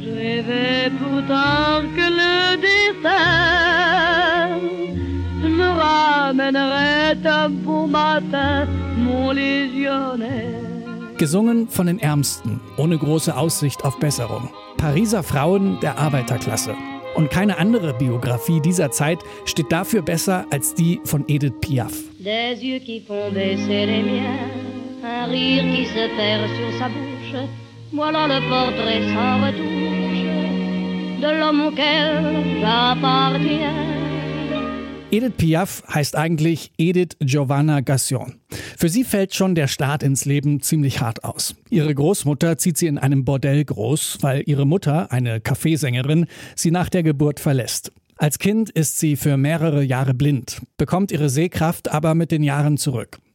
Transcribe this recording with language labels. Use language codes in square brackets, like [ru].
[fr] Je vais pourtant que le destin me ramènerait un beau matin mon légionnaire. [de] Gesungen von den Ärmsten, ohne große Aussicht auf Besserung. Pariser Frauen der Arbeiterklasse. Und keine andere Biografie dieser Zeit steht dafür besser als die von Edith Piaf. [fr] Des yeux qui font baisser les miens, un rire qui se perd sur sa bouche, voilà le portrait sans retouche de l'homme auquel j'appartiens. [de] Edith Piaf heißt eigentlich Edith Giovanna Gassion. Für sie fällt schon der Start ins Leben ziemlich hart aus. Ihre Großmutter zieht sie in einem Bordell groß, weil ihre Mutter, eine Kaffeesängerin, sie nach der Geburt verlässt. Als Kind ist sie für mehrere Jahre blind, bekommt ihre Sehkraft aber mit den Jahren zurück.